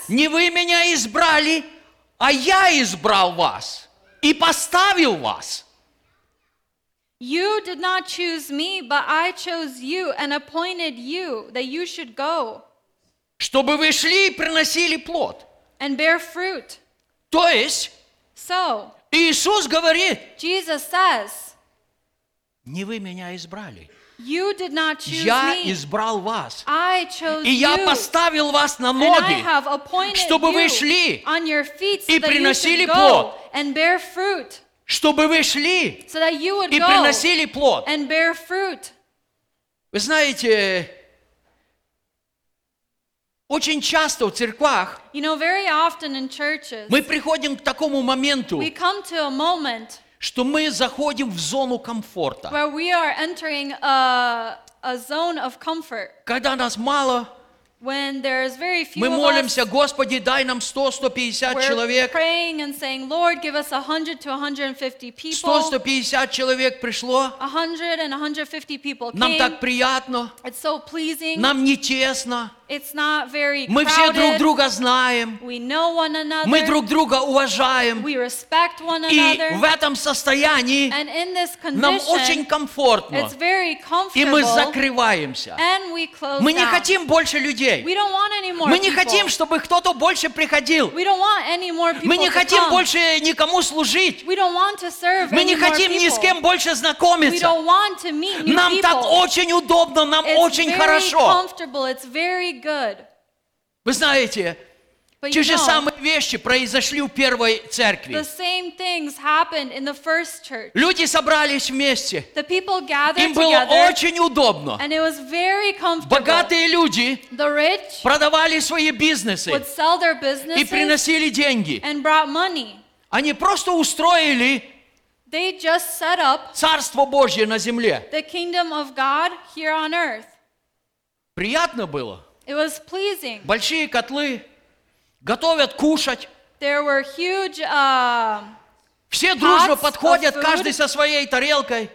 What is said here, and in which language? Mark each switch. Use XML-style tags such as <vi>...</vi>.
<ru>не вы меня избрали, а я избрал вас и поставил вас.</ru> <en>You did not choose me, but I chose you and appointed you that you should go.</en> <ru>Чтобы вы шли и приносили плод.</ru> <en>And bear fruit.</en> <ru>То есть,</ru> <en>so,</en> <ru>Иисус говорит,</ru> <en>Jesus says,</en> <ru>не вы меня избрали.</ru> <en>You did not choose</en> <ru>я</ru> <en>me.</en> <ru>Избрал вас.</ru> <en>I chose</en> <ru>и я</ru> <en>you.</en> <ru>Поставил вас на ноги,</ru> <en>and I have appointed</en> <ru>чтобы вы шли</ru> <en>you on your feet so</en> <ru>и приносили</ru> <en>that you should</en> <ru>плод.</ru> <en>Go and bear fruit.</en> <ru>Чтобы вы шли</ru> <en>so that you would</en> <ru>и</ru> <en>go</en> <ru>приносили плод.</ru> <en>And bear fruit.</en> <ru>Вы знаете, Очень часто в церквах</ru> <en>you know, very often in churches,</en> <ru>мы приходим к такому моменту,</ru> <en>we come to a moment,</en> <ru>что мы заходим в зону комфорта.</ru> <en>Where we are entering a zone of comfort.</en> <ru>Когда нас мало,</ru> <en>when there is very few</en> <ru>мы молимся,</ru> <en>of us,</en> <ru>Господи, дай нам 100-150 человек.</ru> <en>We're praying and saying, Lord, give us 100 to 150 people.</en> <ru>100-150 человек пришло.</ru> <en>100 and 150 people came.</en> <ru>Нам так приятно.</ru> <en>It's so pleasing.</en> <ru>Нам не тесно.</ru> <en>It's not very crowded.</en> <ru>Мы все друг друга знаем.</ru> <en>We know one another.</en> <ru>Мы друг друга уважаем.</ru> <en>We respect one another.</en> <ru>И в этом состоянии</ru> <en>and in this condition,</en> <ru>нам очень комфортно.</ru> <en>It's very comfortable.</en> <ru>И мы закрываемся.</ru> <en>And we close</en> <ru>мы не хотим</ru> <en>out.</en> <ru>Больше людей.</ru> <en>We don't want any more</en> <ru>мы не</ru> <en>people.</en> <ru>Хотим, чтобы кто-то больше приходил.</ru> <en>We don't want any more people</en> <ru>мы не хотим</ru> <en>to come.</en> <ru>Больше никому служить.</ru> <en>We don't want to serve</en> <ru>мы</ru> <en>any</en> <ru>не хотим</ru> <en>more people.</en> <ru>Ни с кем больше знакомиться.</ru> <en>We don't want to meet new people.</en> <ru>Нам так очень удобно, нам</ru> <en>it's</en> <ru>очень</ru> <en>very</en> <ru>хорошо.</ru> <en>Comfortable. It's very good.</en> <ru>Вы знаете, те же самые вещи произошли в первой церкви.</ru> <en>The same things happened in the first church.</en> <ru>Люди собрались вместе.</ru> <en>The people gathered</en> <ru>им было</ru> <en>together,</en> <ru>очень удобно.</ru> <en>And it was very comfortable.</en> <ru>Богатые люди</ru> <en>the rich</en> <ru>продавали свои бизнесы</ru> <en>would sell their businesses</en> <ru>и приносили деньги.</ru> <en>And brought money.</en> <ru>Они просто устроили</ru> <en>they just set up</en> <ru>Царство Божье на земле.</ru> <en>The kingdom of God here on earth.</en> <ru>Приятно было.</ru> <en>It was pleasing.</en> <ru>Большие котлы готовят кушать.</ru> <en>There were huge,</en> <ru>все дружно подходят, каждый со своей тарелкой.</ru>